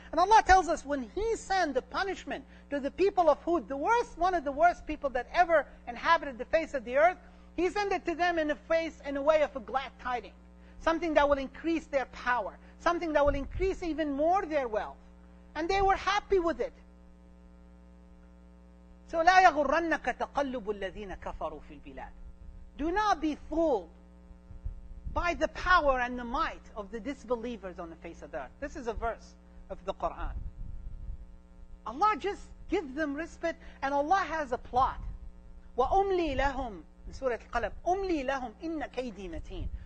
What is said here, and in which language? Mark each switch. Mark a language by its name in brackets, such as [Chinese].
[English] And Allah tells us when He sent the punishment to the people of Hud, the worst, one of the worst people that ever inhabited the face of the earth, He sent it to them in a face, in a way of a glad tiding, something that will increase their power, something that will increase even more their wealth. And they were happy with it. [Arabic] So لا يغرنك تقلب الذين كفروا في البلاد. [English] Do not be fooled by the power and the might of the disbelievers on the face of the earth. This is a verse of the Quran. Allah just gives them respite, and Allah has a plot. [Arabic] وأملي لهم in Surah Al-Qalam. أملي لهم إن كيدي متين.